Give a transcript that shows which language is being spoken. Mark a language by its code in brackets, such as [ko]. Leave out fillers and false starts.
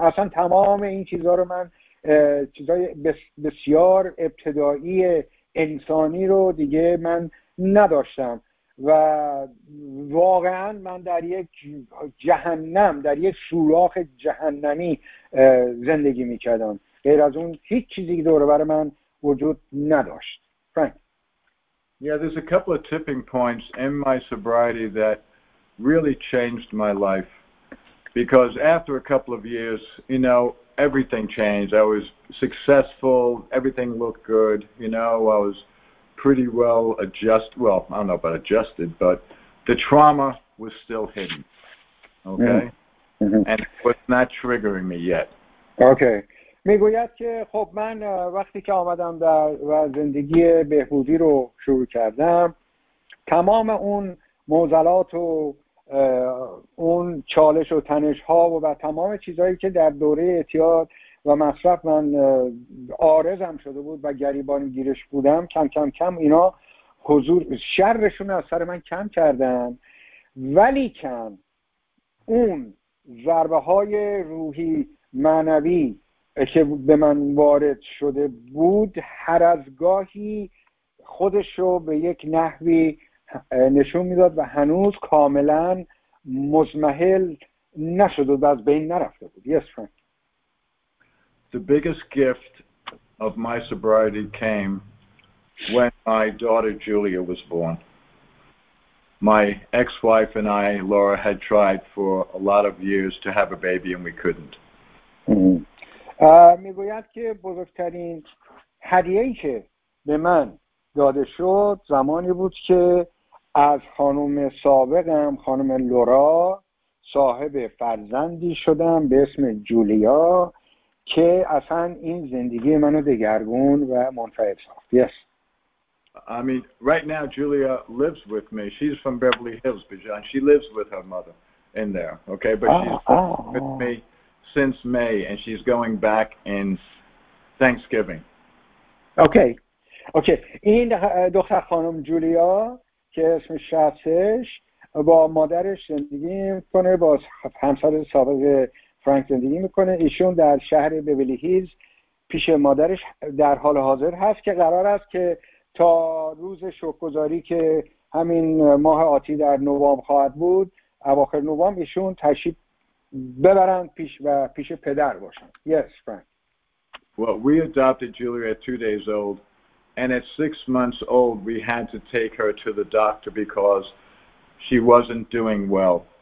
[fa] اصلا تمام این چیزها رو من چیزای بسیار ابتدایی انسانی رو دیگه من نداشتم و واقعا من در یک جهنم در یک سوراخ جهنمی زندگی میکردم. غیر از اون هیچ چیزی دور بر من وجود نداشت. [en] Frank. Yeah, there's a couple of tipping points in my sobriety that really changed my life because after a couple of years, you know, everything changed. I was successful, everything looked good, you know, I was pretty well adjusted, well, I don't know about adjusted, but the trauma was still hidden, okay? Mm-hmm. And it was not triggering me yet. Okay. [fa] میگوید که خب من وقتی که آمدم در زندگی بهبودی رو شروع کردم تمام اون معضلات و اون چالش و تنش ها و تمام چیزهایی که در دوره اعتیاد و مصرف من عارضم شده بود و گریبان گیرش بودم کم کم کم اینا حضور شرشون از سر من کم کردن، ولی کم اون ضربه های روحی معنوی که به من وارد شده بود هر از گاهی خودش رو به یک نحوی نشون میداد و هنوز کاملا مزمحل نشد و از بین نرفته بود. [en] Yes, Frank. The biggest gift of my sobriety came when my daughter Julia was born. My ex-wife and I, Laura, had tried for a lot of years to have a baby and we couldn't. [fa] میگوید که بزرگترین هدیه‌ای که به من داده شد زمانی بود که از خانم سابقم خانم لورا صاحب فرزندی شدم به اسم جولیا که اصلا این زندگی منو دگرگون و منفعل ساخت. [en] Yes. I mean, right now Julia lives with me. She's from Beverly Hills, Bijan. She lives with her mother in there. Okay, but she's with me since May, and she's going back in Thanksgiving. Okay. Okay. [fa] این دختر خانم جولیا که اسمش شخصش با مادرش زندگی میکنه، با همسر سابق فرانک زندگی میکنه. ایشون در شهر بیولی هیلز پیش مادرش در حال حاضر هست که قرار است که تا روز شوکگذاری که همین ماه آتی در نوامبر خواهد بود، اواخر نوامبر ایشون تشریف ببرند پیش و پیش پدر باشند. [en] Yes, Frank. Well, we adopted Julia at 2 days old, and at 6 months old, we had to take her to the doctor because she wasn't doing well.